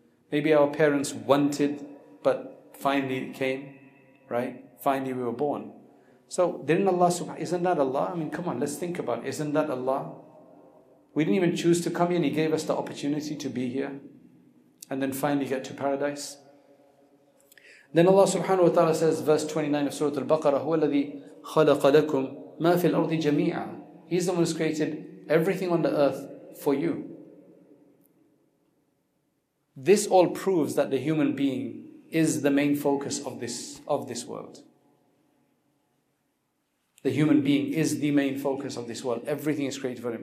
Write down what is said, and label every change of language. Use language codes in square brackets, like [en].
[en] Maybe our parents wanted, but finally it came, right? Finally we were born. So didn't Allah subhanahu, isn't that Allah? I mean, come on, let's think about it. Isn't that Allah? We didn't even choose to come here and he gave us the opportunity to be here and then finally get to paradise. Then Allah subhanahu wa ta'ala says, verse 29 of Surah Al-Baqarah, [ar] هو الذي خلق لكم ما في الأرض جميعا. [en] He's the one who's created everything on the earth for you. This all proves that the human being is the main focus of this world. The human being is the main focus of this world. Everything is created for him.